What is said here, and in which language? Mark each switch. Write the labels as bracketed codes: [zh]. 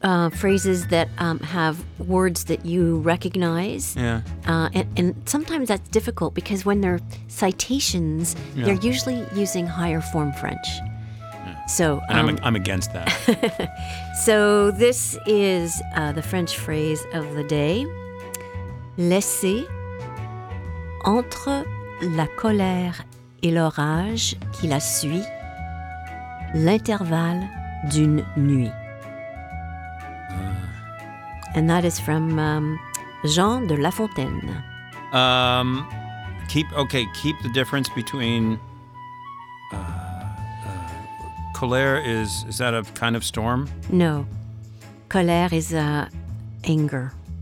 [en] phrases that have words that you recognize. Yeah. And sometimes that's difficult because when they're citations, they're usually using higher form French. Yeah. So I'm against that. So this is the French phrase of the day. [fr] Laissez entre la colère et l'orage qui la suit l'intervalle d'une nuit. [en] And that is from Jean de La Fontaine. Keep the difference between colère is that a kind of storm? No. Colère is anger.